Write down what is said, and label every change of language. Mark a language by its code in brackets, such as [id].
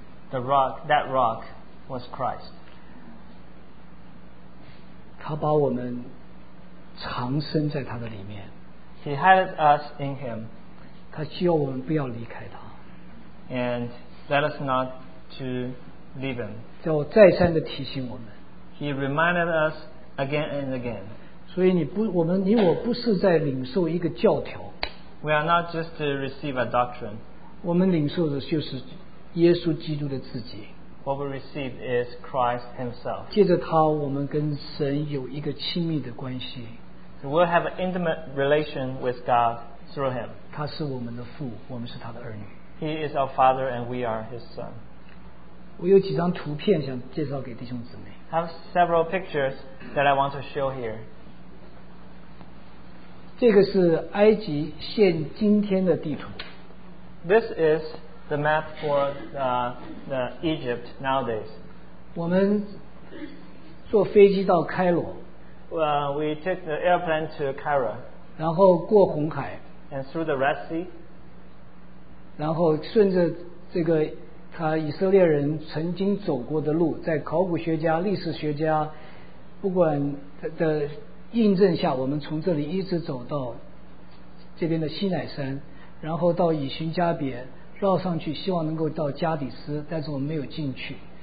[en] ，The rock that rock was Christ。 [zh] 他把我们藏身在他的里面 [en] ，He had us in Him。 [zh] 他希望我们不要离开他 [en] ，And let us not。 To leave him. [zh] 就再三地提醒我们。 [en] He reminded us again and again. [zh] 所以你我不是在领受一个教条。 [en] We are not just to receive a doctrine. [zh] 我们领受的就是耶稣基督的自己。 [en] What we receive is Christ himself. [zh] 借着他，我们跟神有一个亲密的关系。 [en] So we'll have an intimate relation with God through him. [zh] 他是我们的父，我们是他的儿女。 [en] He is our father and we are his son. [zh] 我有几张图片想介绍给弟兄姊妹。 [en] I have several pictures that I want to show here. [zh] 这个是埃及现今天的地图。 [en] This is the map for the Egypt nowadays. [zh] 我们坐飞机到开罗。 [en] We took the airplane to Cairo. [zh] 然后过红海。 [en] And through the Red Sea. [zh] 然后顺着这个他以色列人曾经走过的路，在考古学家、历史学家不管的印证下，我们从这里一直走到这边的西乃山，然后到以寻加别绕上去，希望能够到加底斯，但是我们没有进去。